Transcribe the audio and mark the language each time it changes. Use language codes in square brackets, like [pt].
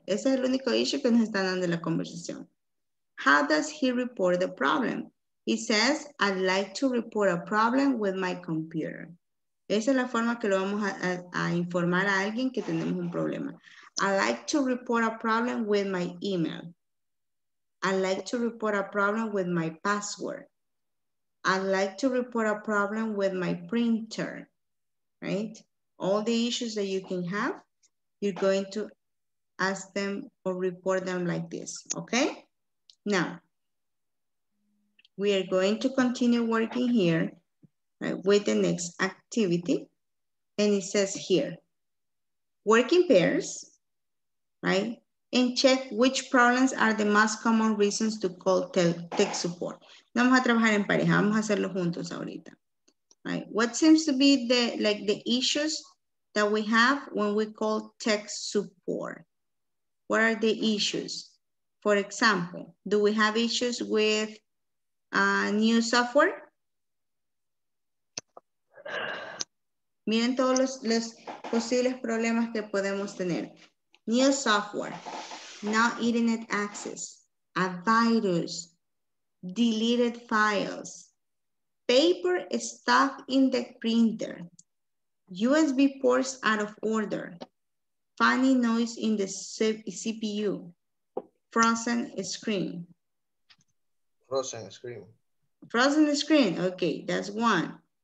[es] Ese es el único issue que nos está dando la conversación. [en] How does he report the problem? He says, I'd like to report a problem with my computer. [es] Esa es la forma que lo vamos a informar a alguien que tenemos un problema. [en] I'd like to report a problem with my email. I'd like to report a problem with my password. I'd like to report a problem with my printer, right? All the issues that you can have, you're going to ask them or report them like this, okay? Now, we are going to continue working here, right, with the next activity. And it says here, work in pairs, right? And check which problems are the most common reasons to call tech support. [es] Vamos a trabajar en pareja, vamos a hacerlo juntos ahorita. [en] Right. What seems to be the, like the issues that we have when we call tech support? What are the issues? For example, do we have issues with new software? [es] Miren todos los posibles problemas que podemos tener. [en] New software, not internet access, a virus, deleted files, paper stuck in the printer, USB ports out of order, funny noise in the CPU, frozen screen, okay, that's one.